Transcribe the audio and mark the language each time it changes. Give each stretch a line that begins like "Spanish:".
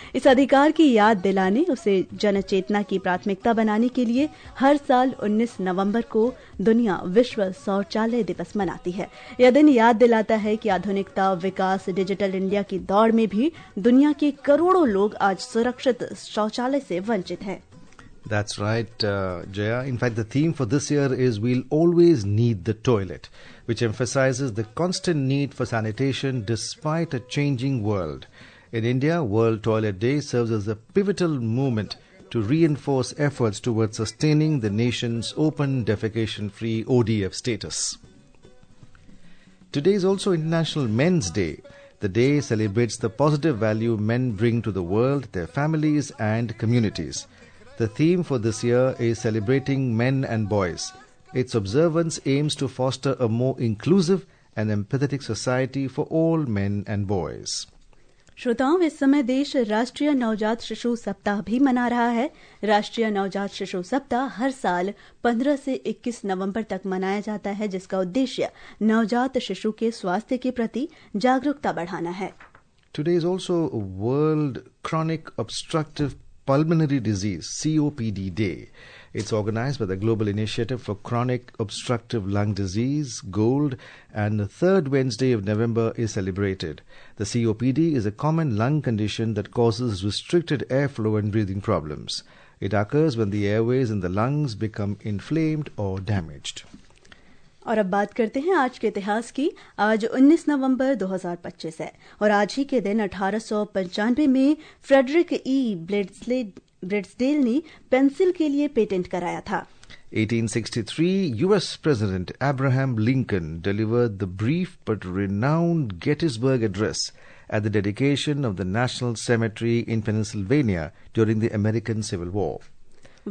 Hindi: इस अधिकार की याद दिलाने, उसे जन चेतना की प्राथमिकता बनाने के लिए हर साल 19 नवंबर को दुनिया विश्व शौचालय दिवस मनाती है। यह दिन याद दिलाता है कि आधुनिकता, विकास, डिजिटल इंडिया की दौड़ में भी दुनिया के करोड़ों लोग आज सुरक्षित शौचालय से वंचित हैं।
English: That's right, Jaya. In fact, the theme for this year is We'll Always Need the Toilet, which emphasizes the constant need for sanitation despite a changing world. In India, World Toilet Day serves as a pivotal moment to reinforce efforts towards sustaining the nation's open defecation-free ODF status. Today is also International Men's Day. The day celebrates the positive value men bring to the world, their families and communities. The theme for this year is Celebrating Men and Boys. Its observance aims to foster a more inclusive and empathetic society for all men and boys.
Hindi: श्रोताओं, इस समय देश राष्ट्रीय नवजात शिशु सप्ताह भी मना रहा है। राष्ट्रीय नवजात शिशु सप्ताह हर साल 15 से 21 नवंबर तक मनाया जाता है, जिसका उद्देश्य नवजात शिशु के स्वास्थ्य के प्रति जागरूकता बढ़ाना है।
English: Today is also World Chronic Obstructive Pulmonary Disease, COPD Day. It's organized by the Global Initiative for Chronic Obstructive Lung Disease, GOLD, and the third Wednesday of November is celebrated. The COPD is a common lung condition that causes restricted airflow and breathing problems. It occurs when the airways in the lungs become inflamed or damaged.
Hindi: और अब बात करते हैं आज के इतिहास की। आज 19 नवंबर 2025 है और आज ही के दिन 1895 में फ्रेडरिक ई ब्रिड्सडेल ने पेंसिल के लिए पेटेंट कराया था।
English: 1863 US president Abraham Lincoln delivered the brief but renowned Gettysburg address at the dedication of the national cemetery in Pennsylvania during the American civil war.